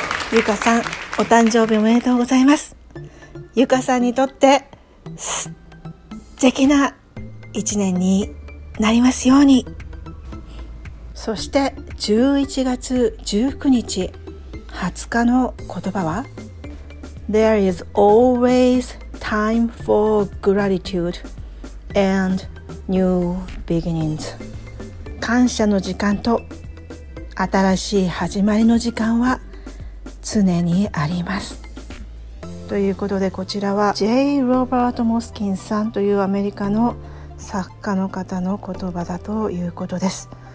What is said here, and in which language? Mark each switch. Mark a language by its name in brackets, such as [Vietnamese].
[Japanese] Yuka-san, お誕生日おめでとうございます。Yuka-san にとって素敵な一年になりますように。そして11月19日20日の言葉は [English] There is always time for gratitude and new beginnings. [Japanese] 感謝の時間と新しい始まりの時間は常にあります。ということでこちらは J. ロバート・モスキンさんというアメリカの作家の方の言葉だということです。